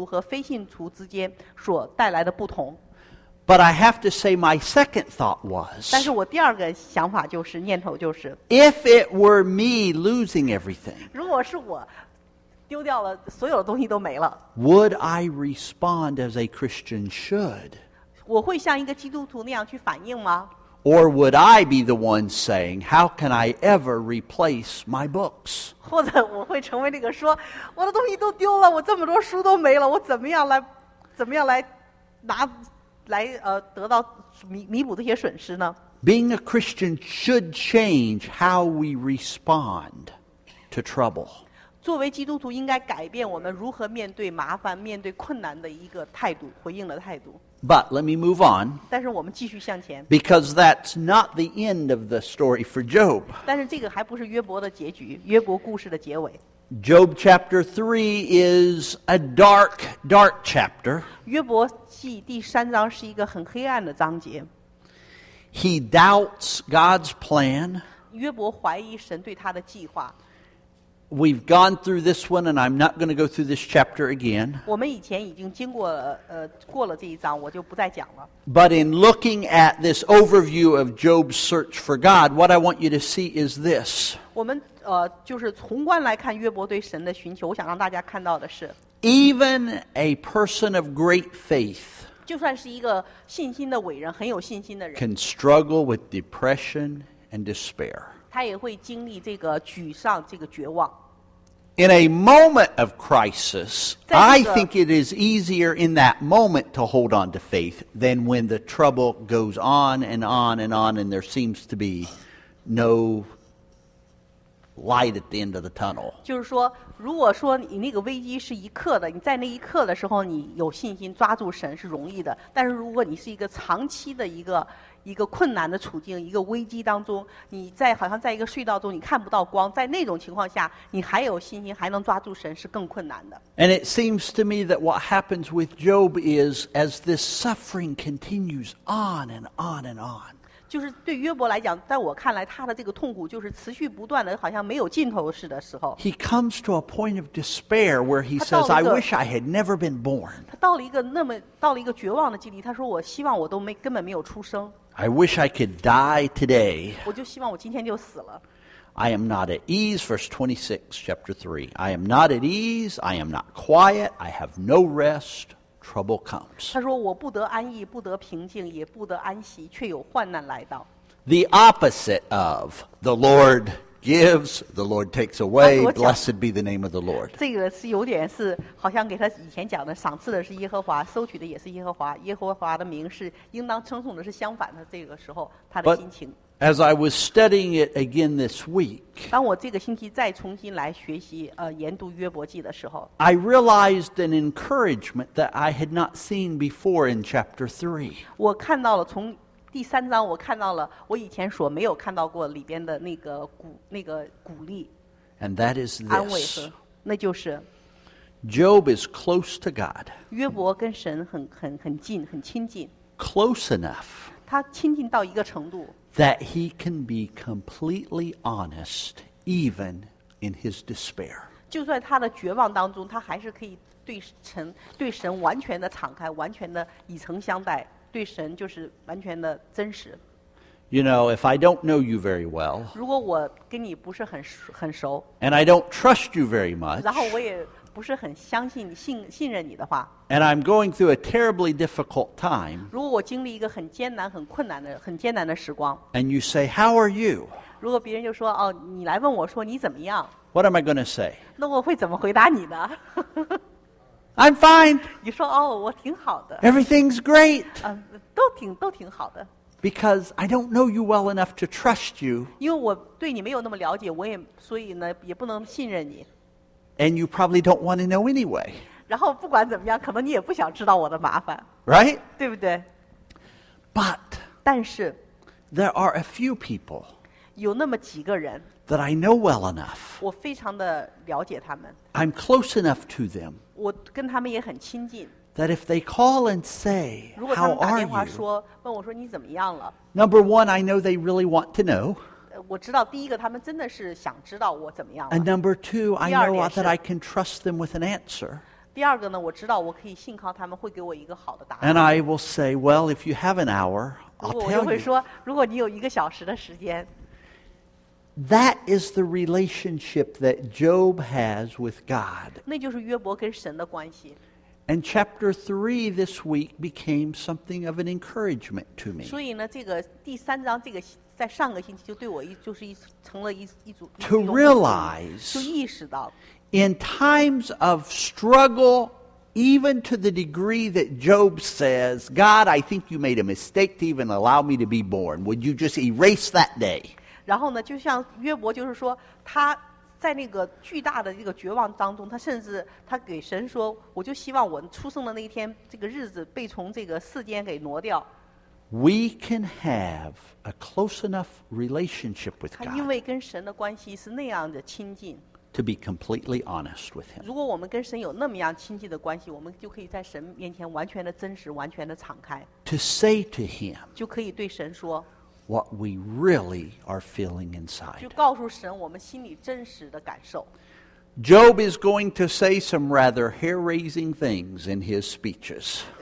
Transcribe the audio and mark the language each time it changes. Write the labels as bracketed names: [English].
[Chinese] 我很高兴说他能看到神在基督徒和非信徒之间所带来的不同。 [English] But I have to say my second thought was, [Chinese] 但是我第二个想法就是, 念头就是, [English] if it were me losing everything, [Chinese] 如果是我丢掉了, [English] would I respond as a Christian should? [Chinese] 我会像一个基督徒那样去反应吗？ [English] Or would I be the one saying, how can I ever replace my books? [Chinese] 或者我会成为那个说，我的东西都丢了，我这么多书都没了，我怎么样来得到弥补这些损失呢？ [English] Being a Christian should change how we respond to trouble. [Chinese] 作为基督徒应该改变我们如何面对麻烦，面对困难的一个态度，回应的态度。 [English] But let me move on. [Chinese] 但是我们继续向前。 [English] Because that's not the end of the story for Job. [Chinese] 但是这个还不是约伯的结局，约伯故事的结尾。 [English] Job chapter 3 is a dark, dark chapter. [Chinese] 约伯记第三章是一个很黑暗的章节。 [English] He doubts God's plan. [Chinese] 约伯怀疑神对他的计划。 [English] We've gone through this one, and I'm not going to go through this chapter again. [Chinese] 我们以前已经经过过了这一章，我就不再讲了。 [English] But in looking at this overview of Job's search for God, what I want you to see is this. [Chinese] 我们就是宏观来看约伯对神的寻求，我想让大家看到的是 [English] ，Even a person of great faith. [Chinese] 就算是一个信心的伟人，很有信心的人 [English] ，can struggle with depression and despair. [Chinese] 他也会经历这个沮丧，这个绝望。 [English] In a moment of crisis, I think it is easier in that moment to hold on to faith than when the trouble goes on and on and on and there seems to be no light at the end of the tunnel. [Chinese] 就是说，如果说你那个危机是一刻的，你在那一刻的时候，你有信心抓住神是容易的。但是如果你是一个长期的一个困难的处境，一个危机当中，你在好像在一个隧道中，你看不到光。在那种情况下，你还有信心，还能抓住神，是更困难的。 [English] And it seems to me that what happens with Job is as this suffering continues on and on and on. [Chinese] 就是对约伯来讲，在我看来，他的这个痛苦就是持续不断的，好像没有尽头似的时候。 [English] He comes to a point of despair where he says, "I wish I had never been born." [Chinese] 他到了一个绝望的境地，他说：“我希望我都根本没有出生。” [English] I wish I could die today. [Chinese] 我就希望我今天就死了。 [English] I am not at ease, verse 26, chapter 3. I am not at ease, I am not quiet, I have no rest, trouble comes. [Chinese] 他说我不得安逸，不得平静，也不得安息，却有患难来到。 [English] The opposite of the Lord gives, the Lord takes away, blessed be the name of the Lord. [Chinese] 这个是有点是好像给他以前讲的，赏赐的是耶和华，收取的也是耶和华，耶和华的名是应当称颂的，是相反的。这个时候他的心情。 [English] As I was studying it again this week, [Chinese] 当我这个星期再重新来学习研读约伯记的时候， [English] I realized an encouragement that I had not seen before in chapter 3. [Chinese] 我看到了从第三章，我看到了我以前所没有看到过里边的那个鼓励， [English] And that is this. [Chinese] 安慰和那就是。 [English] Job is close to God. [Chinese] 约伯跟神很近，很亲近。 [English] Close enough. [Chinese] 他亲近到一个程度。 [English] That he can be completely honest, even in his despair. [Chinese] 就算他的绝望当中，他还是可以对神完全的敞开，完全的以诚相待，对神就是完全的真实。 [English] You know, if I don't know you very well, [Chinese] 如果我跟你不是很熟 [English] ，and I don't trust you very much, [Chinese] 然后我也不是很相信你信任你的话。 [English] And I'm going through a terribly difficult time. [Chinese] 如果我经历一个很艰难、很困难的、很艰难的时光。 [English] And you say, "How are you?" [Chinese] 如果别人就说哦，你来问我说你怎么样 [English] ？What am I going to say? [Chinese] 那我会怎么回答你呢？ [English] I'm fine. [Chinese] 你说哦，我挺好的。 [English] Everything's great. [Chinese] 都挺好的。 [English] Because I don't know you well enough to trust you. [Chinese] 因为我对你没有那么了解，我也所以呢也不能信任你。 [English] And you probably don't want to know anyway. [Chinese] 然后不管怎么样，可能你也不想知道我的麻烦。 [English] Right? [Chinese] 对不对 [English] ？But [Chinese] 但是 [English] ，there are a few people. [Chinese] 有那么几个人。 [English] That I know well enough. [Chinese] 我非常的了解他们。 [English] I'm close enough to them. [Chinese] 我跟他们也很亲近。 [English] That if they call and say, "How are you?" [Chinese] 如果他们打电话说，问我说你怎么样了 [English] ？Number one, I know they really want to know. [Chinese] 我知道第一个，他们真的是想知道我怎么样了。 [English] And number two, I know that I can trust them with an answer. [Chinese] 第二个呢，我知道我可以信靠他们会给我一个好的答案。 [English] And I will say, "Well, if you have an hour, I'll tell you." [Chinese] 我就会说，如果你有一个小时的时间。 [English] That is the relationship that Job has with God. [Chinese] 那就是约伯跟神的关系。 [English] And chapter 3 this week became something of an encouragement to me. [Chinese] 所以呢, 这个第三章, 这个, 在上个星期, 就对我一, 就是一, 成了一组, [English] to realize [Chinese] 就意识到, [English] in times of struggle, even to the degree that Job says, God, I think you made a mistake to even allow me to be born. Would you just erase that day? [Chinese] 然后呢, 就像约伯就是说, 他在那个巨大的这个绝望当中，他甚至他给神说， 我就希望我出生的那一天， 这个日子被从这个世间给挪掉。 [English] We can have a close enough relationship with God. [Chinese] 他因为跟神的关系是那样的亲近。 [English] To be completely honest with him. [Chinese] 如果我们跟神有那么样亲近的关系， 我们就可以在神面前完全的真实，完全的敞开。 [English] To say to him, [Chinese] 就可以对神说， [English] what we really are feeling inside. [Chinese] 就告诉神我们心里真实的感受。 [English] Job is going to say some rather hair-raising things in his speeches.